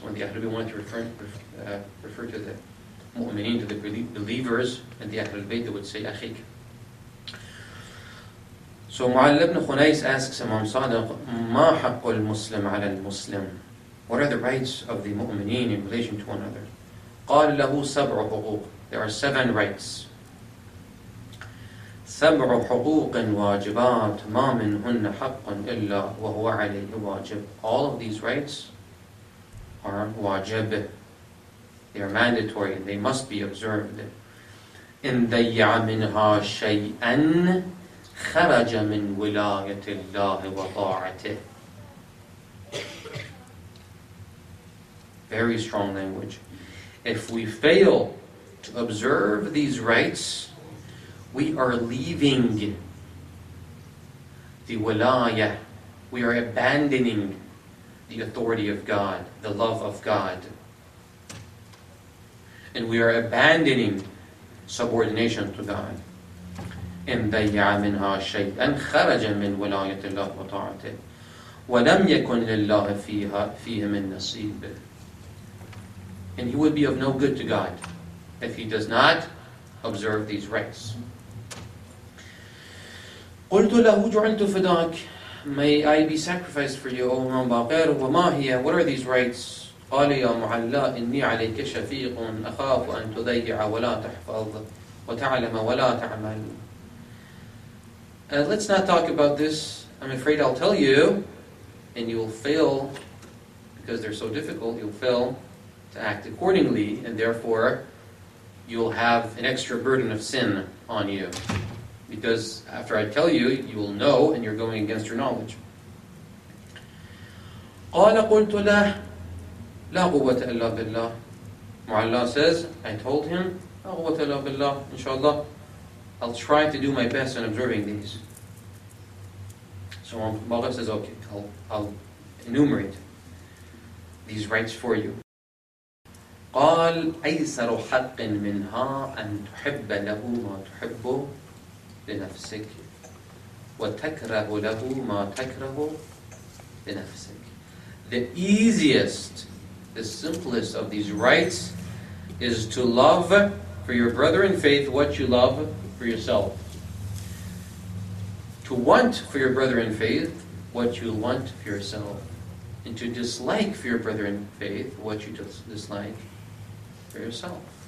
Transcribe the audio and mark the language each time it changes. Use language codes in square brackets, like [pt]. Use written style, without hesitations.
[en] When the Ahlul Bayt wanted to refer to the mu'mineen, to the believers in the Ahlul Bayt, they would say akhika. So Mu'alla ibn Khunais asks Imam Sadiq, [ar] ma haqqul muslim ala al-muslim? [en] What are the rights of the mu'mineen in relation to one another? [ar] قال له سبع حقوق. [en] There are seven rights. [ar] سبع حقوق واجبات ما منهن حق إلا وهو عليه واجب. [en] All of these rights are wajib. They are mandatory and they must be observed. [ar] إن ضيع منها شيئا خرج من ولاية الله وطاعته. [en] Very strong language. If we fail to observe these rights, we are leaving the wilaya. We are abandoning the authority of God, the love of God. and we are abandoning subordination to God. [ar] إن بيع منها شيئا خرج من ولاية الله وطاعته ولم يكن لله فيها من نصيب. [en] And he would be of no good to God if he does not observe these rites. [ar] قلت له جعلت فداك. [en] May I be sacrificed for you, O Imam Baqir. [ar] وما هي? [en] What are these rites? [ar] قال يا معلا إني عليك شفيق أخاف أن تضيع ولا تحفظ وتعلم ولا تعمل. [en] Let's not talk about this. I'm afraid I'll tell you, and you'll fail, because they're so difficult, you'll fail to act accordingly, and therefore you'll have an extra burden of sin on you. Because after I tell you, you will know, and you're going against your knowledge. [ar] قال قلت له لا قوة إلا بالله. [en] معلا says, I told him, [ar] لا قوة إلا بالله, [en] inshallah. I'll try to do my best in observing these. So Mawla says, okay, I'll enumerate these rites for you. [ar] قال أيسر حق منها أن تحب له ما تحب لنفسك وتكره له ما تكره لنفسك. [en] The easiest, the simplest of these rites is to love for your brother in faith what you love for yourself. To want for your brother in faith what you want for yourself, and to dislike for your brother in faith what you dislike for yourself.